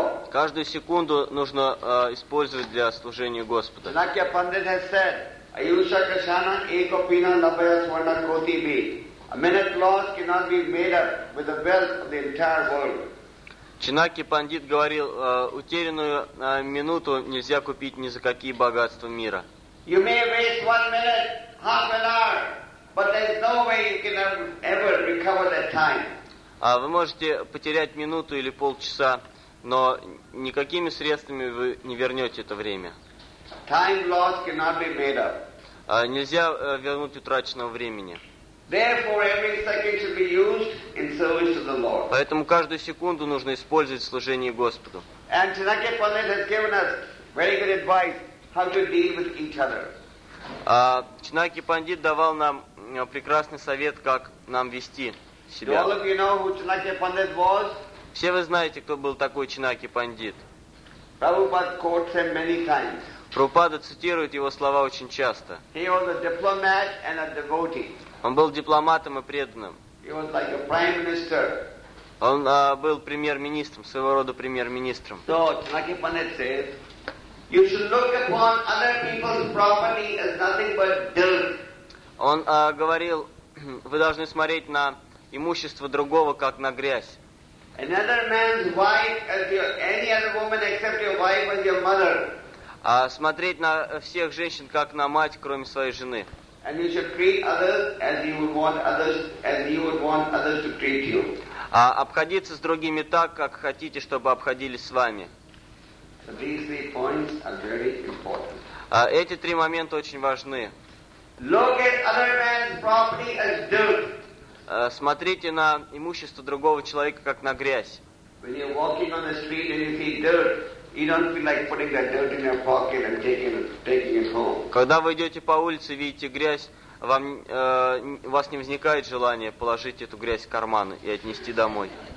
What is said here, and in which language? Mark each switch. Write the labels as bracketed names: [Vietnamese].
[Russian] Каждую секунду нужно использовать для служения Господа. [English] Chanakya Pandit has said, [Sanskrit] Ayusha Kashana Ekopina Labaya Swarna Koti B. [English] A minute lost cannot be made up with the wealth of the entire world. [Russian] Чинаки Пандит говорил, утерянную минуту нельзя купить ни за какие богатства мира. [English] You may waste 1 minute, half an hour, but there's no way you can ever recover that time. [Russian] Вы можете потерять минуту или полчаса, но никакими средствами вы не вернете это время. [English] Time lost cannot be made up. [Russian] Нельзя вернуть утраченного времени. [English] Therefore, every second should be used in service to the Lord. [Russian] Поэтому каждую секунду нужно использовать в служении Господу. [English] And Chinakya Pandit has given us very good advice. How to deal with each other. [Russian] Чинаки Пандит давал нам прекрасный совет, как нам вести себя. [English] Do all of you know who Chinakya Pandit was? [Russian] Все вы знаете, кто был такой Чинаки Пандит. [English] Prabhupada quotes him many times. [Russian] Прабхупада цитирует его слова очень часто. [English] He was a diplomat and a devotee. [Russian] Он был дипломатом и преданным. [English] He was like a prime minister. [Russian] Он был премьер-министром, своего рода премьер-министром. [English] So Chinakya Pandit says, you should look upon other people's property as nothing but dirt. [Russian] Он говорил, вы должны смотреть на имущество другого, как на грязь. [English] Another man's wife as your, any other woman except your wife as your mother. [Russian] А смотреть на всех женщин как на мать, кроме своей жены. [English] And you should treat others as you would want others as you would want others to treat you. [Russian] А обходиться с другими так, как хотите, чтобы обходились с вами. [English] So these three points are very important. [Russian] А эти три момента очень важны. [English] Look at other man's property as dirt. [Russian] Смотрите на имущество другого человека как на грязь. [English] When you're walking on the street and you see dirt, you don't feel like putting that dirt in your pocket and taking it home. [Russian] Когда вы идете по улице, видите грязь, вам у вас не возникает желания положить эту грязь в карман и отнести домой.